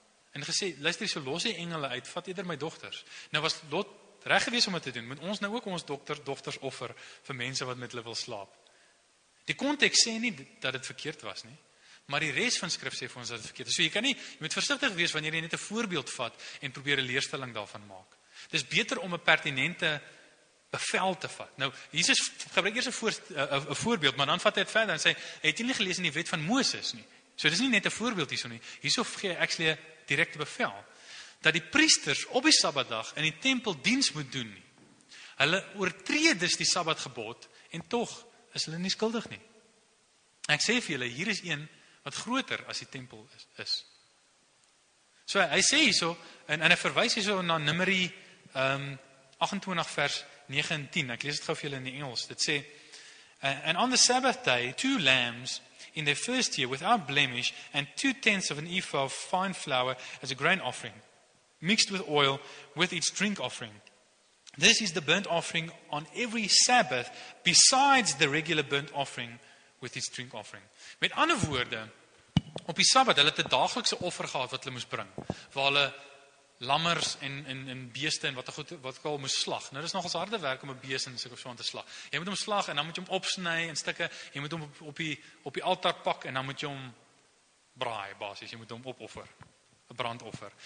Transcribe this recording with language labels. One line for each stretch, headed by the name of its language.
Afrikaans: En gesê, luister, so los die engele uit, vat eerder my dogters. Nou was Lot reg gewees om het te doen, moet ons nou ook ons dogters offer vir mense wat met hulle wil slaap. Die context sê nie dat het verkeerd was nie. Maar die rest van skrif sê vir ons dat het verkeerd is. So jy kan nie, jy moet versigtig wees wanneer jy net 'n voorbeeld vat en probeer 'n leerstelling daarvan maak. Dit is beter om 'n pertinente bevel te vat. Nou, Jesus gebruik eers een voorbeeld, maar dan vat hy het verder en sê, het jy nie gelees in die wet van Moses nie? So dit is nie net 'n voorbeeld hierso nie. Hierso gee actually direkte bevel, dat die priesters op die Sabbatdag in die tempel diens moet doen nie. Hulle oortree dus die Sabbatgebod en toch is hulle nie skuldig nie. Ek sê vir julle, hier is een wat groter as die tempel is. So hy sê hierso, en hy verwys hierso na Numeri 28 vers 9 en 10, ek lees het gauw vir julle in die Engels, dit sê,
English: and on the Sabbath day, two lambs in their first year without blemish, and 2/10 of an ephah of fine flour as a grain offering, mixed with oil, with its drink offering. This is the burnt offering on every Sabbath, besides the regular burnt offering, with its drink offering.
Afrikaans: Met ander woorde, op die Sabbat, hulle het 'n daaglikse offer gehad, wat hulle moes bring, waar hulle lammers en beeste en wat ek al moes slag. Nou, dit is nogals harde werk om 'n beeste en so aan te slag. Jy moet hom slag en dan moet jy hom opsny en stikke, jy moet hom op die altaar pak en dan moet jy hom braai, basis, jy moet hom opoffer, 'n brandoffer.